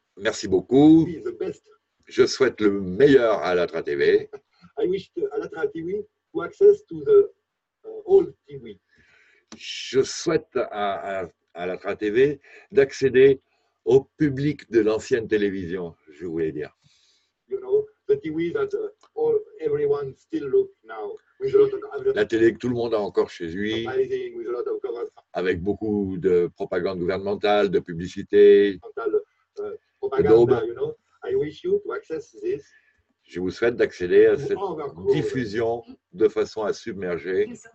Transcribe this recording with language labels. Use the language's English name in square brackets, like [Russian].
[French] Merci beaucoup. Je souhaite le meilleur à Alatra TV. [English] I wish to Alatra TV to access to the old TV. [French] Je souhaite à Alatra TV d'accéder au public de l'ancienne télévision, je voulais dire. [English] You know, the TV that everyone still look now with a lot of [French] la télé que tout le monde a encore chez lui, [English] with a lot of [French] avec beaucoup de propagande gouvernementale, de publicité, [English] propagande, you know. I wish you to access this. [French] Je vous souhaite d'accéder à cette diffusion de façon à submerger.